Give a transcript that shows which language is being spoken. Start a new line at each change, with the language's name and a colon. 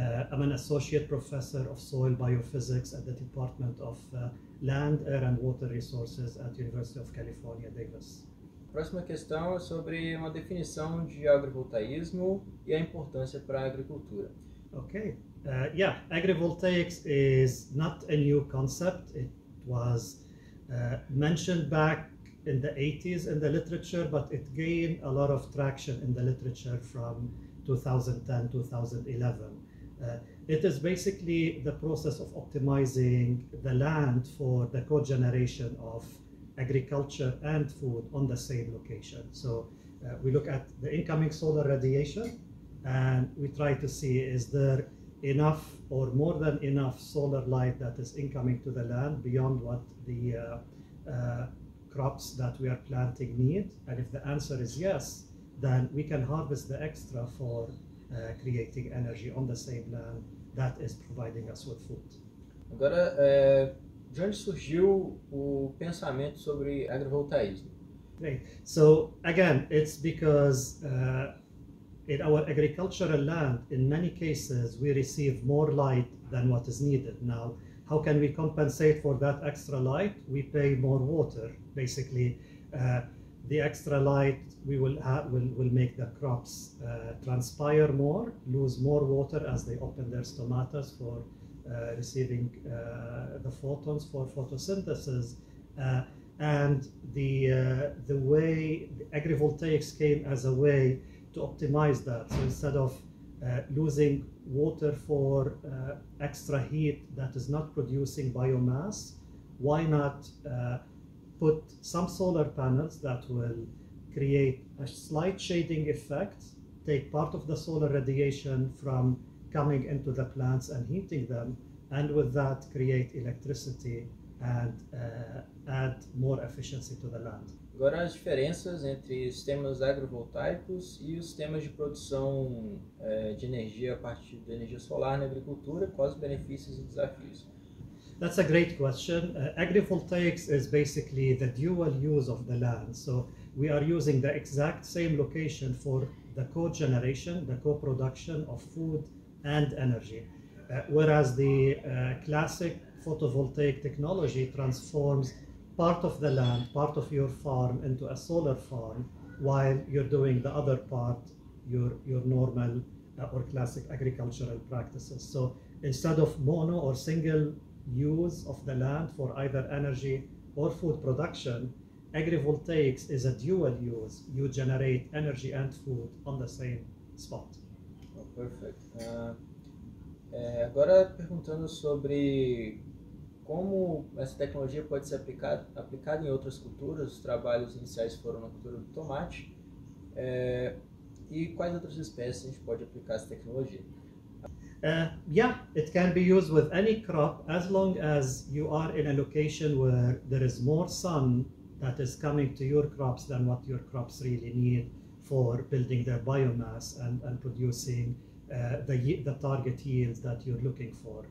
English: I'm an associate professor of soil biophysics at the Department of Land, Air and Water Resources at University of California, Davis.
Portuguese: Próxima questão é sobre uma definição de agrovoltaísmo e a importância para a agricultura.
English: Okay. Yeah, agrivoltaics is not a new concept. It was mentioned back in the 80s in the literature, but it gained a lot of traction in the literature from 2010-2011. It is basically the process of optimizing the land for the cogeneration of agriculture and food on the same location. So we look at the incoming solar radiation and we try to see, is there enough or more than enough solar light that is incoming to the land beyond what the crops that we are planting need? And if the answer is yes, then we can harvest the extra for creating energy on the same land that is providing us with food.
Portuguese: Agora, de onde surgiu o pensamento sobre agrovoltaísmo?
English: Great. So again, it's because in our agricultural land, in many cases, we receive more light than what is needed. Now, how can we compensate for that extra light? We pay more water. Basically, the extra light we will make the crops transpire more, lose more water as they open their stomatas for receiving the photons for photosynthesis. And the way the agrivoltaics came as a way to optimize that. So instead of losing water for extra heat that is not producing biomass, why not put some solar panels that will create a slight shading effect, take part of the solar radiation from coming into the plants and heating them, and with that create electricity and add more efficiency to the land.
Portuguese: Agora, as diferenças entre sistemas agrovoltaicos e os sistemas de produção de energia a partir da energia solar na agricultura, quais os benefícios e desafios?
English: That's a great question. Agrivoltaics is basically the dual use of the land. So we are using the exact same location for the co-generation, the co-production of food and energy. Whereas the classic photovoltaic technology transforms part of the land, part of your farm into a solar farm while you're doing the other part, your normal or classic agricultural practices. So instead of mono or single use of the land for either energy or food production, agrivoltaics is a dual use. You generate energy and food on the same spot. Oh, perfect.
Portuguese: Agora perguntando sobre como essa tecnologia pode ser aplicada em outras culturas. Os trabalhos iniciais foram na cultura do tomate. E quais outras espécies a gente pode aplicar essa tecnologia?
English: Yeah, it can be used with any crop as long as you are in a location where there is more sun that is coming to your crops than what your crops really need for building their biomass and producing the target yields that you're looking for.